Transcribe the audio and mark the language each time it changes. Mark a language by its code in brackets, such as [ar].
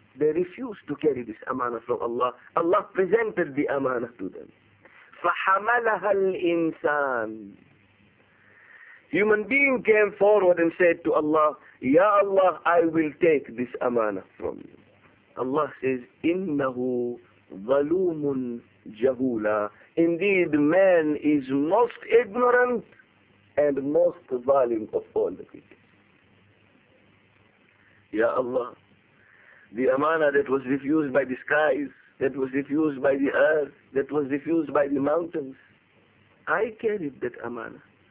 [en] They refused to carry this amana from Allah. Allah presented the amana to them. [ar] فَحَمَلَهَا الْإِنسَانِ. [en] Human being came forward and said to Allah, Ya Allah, I will take this amana from you. Allah says, [ar] إِنَّهُ ظَلُومٌ جَهُولًا. [en] Indeed, man is most ignorant and most violent of all the people. Ya Allah, the amana that was refused by the skies, that was refused by the earth, that was refused by the mountains, I carried that amana.